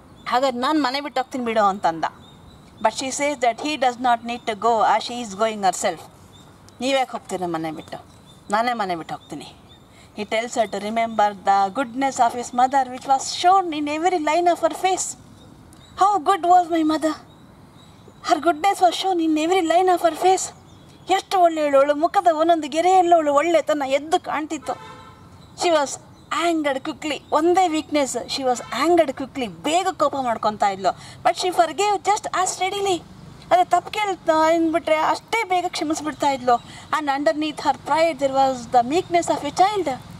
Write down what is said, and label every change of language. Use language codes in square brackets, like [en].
[kn] ಹಾಗಾದ್ರೆ ನಾನು ಮನೆ ಬಿಟ್ಟು ಹೋಗ್ತೀನಿ ಬಿಡೋ ಅಂತಂದ [en] but she says that he does not need to go ah she is going herself [kn] ನೀವ್ಯಾಕೆ ಹೋಗ್ತೀರ ಮನೆ ಬಿಟ್ಟು ನಾನೇ ಮನೆ ಬಿಟ್ಟು ಹೋಗ್ತೀನಿ [en] He tells her to remember the goodness of his mother which was shown in every line of her face. How good was my mother? Her goodness was shown in every line of her face. [kn] ಎಷ್ಟು ಒಳ್ಳೆಯಳು ಅವಳು ಮುಖದ ಒಂದೊಂದು ಗೆರೆಯಲ್ಲೂ ಅವಳು ಒಳ್ಳೆತನ ಎದ್ದು ಕಾಣ್ತಿತ್ತು [en] she was angered quickly [kn] ಒಂದೇ weakness [en] she was angered quickly [kn] ಬೇಗ ಕೋಪ ಮಾಡ್ಕೊತಾ ಇದ್ಲು [en] but she forgave just a steadily [kn] ಅದೇ ತಪ್ಪು ಕೇಳ್ತಾ ಅಂದ್ಬಿಟ್ರೆ ಅಷ್ಟೇ ಬೇಗ ಕ್ಷಮಿಸ್ಬಿಡ್ತಾ ಇದ್ಲು [en] and underneath her pride there was the meekness of a child